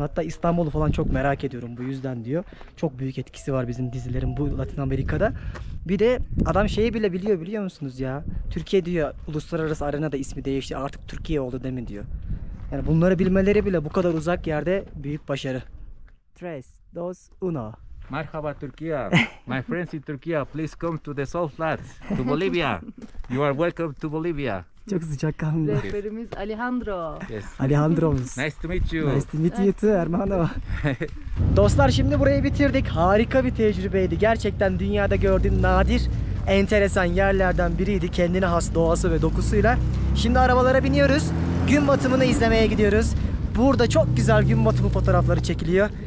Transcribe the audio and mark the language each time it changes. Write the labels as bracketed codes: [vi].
[tr] Hatta İstanbul'u falan çok merak ediyorum bu yüzden diyor. Çok büyük etkisi var bizim dizilerin bu Latin Amerika'da. Bir de adam şeyi bile biliyor biliyor musunuz ya? Türkiye diyor uluslararası arenada ismi değişti. Artık Türkiye oldu değil mi diyor. Yani bunları bilmeleri bile bu kadar uzak yerde büyük başarı. [es] Tres, dos, uno. [tr] Merhaba Türkiye. [en] My friends in Türkiye. Please come to the salt flats. To Bolivia. You are welcome to Bolivia. [tr] Çok sıcak kanlı. Rehberimiz Alejandro. [en] Yes. [tr] Alejandro'muz. [en] Nice to meet you. Nice to meet you too, Armando. [tr] Dostlar şimdi burayı bitirdik. Harika bir tecrübeydi. Gerçekten dünyada gördüğün nadir, enteresan yerlerden biriydi. Kendine has doğası ve dokusuyla. Şimdi arabalara biniyoruz. Gün batımını izlemeye gidiyoruz. Burada çok güzel gün batımı fotoğrafları çekiliyor.